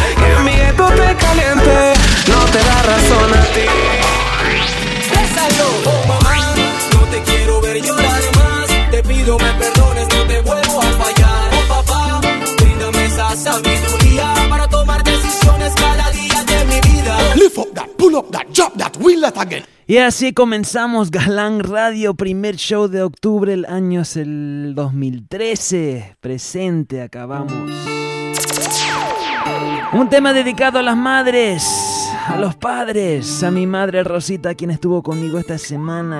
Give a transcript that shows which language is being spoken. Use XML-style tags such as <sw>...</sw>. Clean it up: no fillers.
<es>Que mi esto esté caliente, no te da razón a ti. Oh mamá, no te quiero ver llorar más. Te pido me perdones, no te vuelvo a fallar. Oh papá, brindame esa sabiduría para tomar decisiones cada día de mi vida.</es> <en>Lift up that, pull up that, drop that, wheel that again.</en> <es>Y así comenzamos Galang Radio, primer show de octubre, el año es el 2013. Presente, acabamos. Un tema dedicado a las madres, a los padres, a mi madre Rosita, quien estuvo conmigo esta semana.</es>